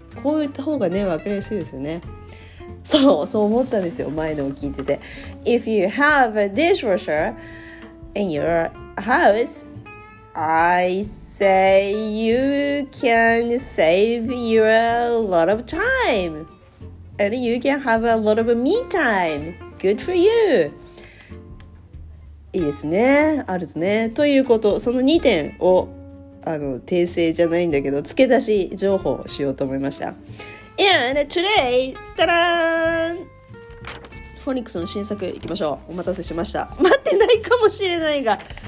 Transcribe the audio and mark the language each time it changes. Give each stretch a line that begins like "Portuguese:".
Japanese: こういった方がね、分かりやすいですよね。そう、そう思ったんですよ、前のを聞いてて。
English: If you have a dishwasher in your house, I say you can save you a lot of time. And you can have a lot of me time. Good for you.
Japanese: いいですね。あるとね。ということ、その2点を訂正じゃないんだけど、付け出し情報をしようと思いました。
English: And today, ta-da!
Japanese: フォニックスの新作いきましょう。お待たせしました。待ってないかもしれないが。